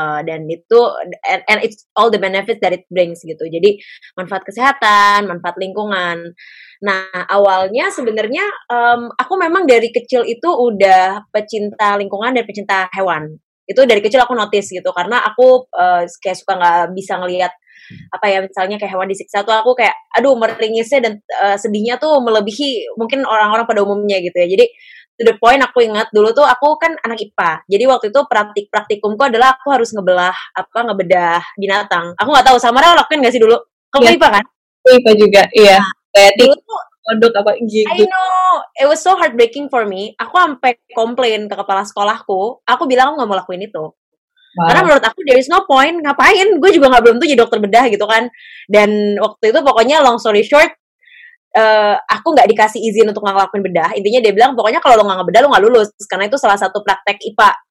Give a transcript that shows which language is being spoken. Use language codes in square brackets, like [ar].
[id] Dan itu, [en] and it's all the benefits that it brings gitu. [id] Jadi manfaat kesehatan, manfaat lingkungan. Nah, awalnya sebenarnya aku memang dari kecil itu udah pecinta lingkungan dan pecinta hewan. Itu dari kecil aku notice gitu, karena aku kayak suka gak bisa ngelihat apa ya, misalnya kayak hewan disiksa tuh aku kayak, aduh, meringisnya dan sedihnya tuh melebihi mungkin orang-orang pada umumnya gitu ya. Jadi, [en] to the point [id] aku ingat dulu tuh aku kan anak IPA. Jadi, waktu itu praktikumku adalah aku harus ngebelah, apa, ngebedah binatang. Aku gak tahu, Samara lakuin gak sih dulu? Kamu IPA kan? IPA juga, iya. Kayak apa gitu. [en] I know, it was so heartbreaking for me. [id] Aku sampai komplain ke kepala sekolahku. Aku bilang aku gak mau lakuin itu. Wow. Karena menurut aku [en] there is no point, [id] ngapain? Gue juga gak belum tuh jadi dokter bedah gitu kan. Dan waktu itu pokoknya [en] long story short, [id] aku gak dikasih izin untuk ngelakuin bedah. Intinya dia bilang pokoknya kalau lo gak ngebedah lo gak lulus, karena itu salah satu praktek IPA.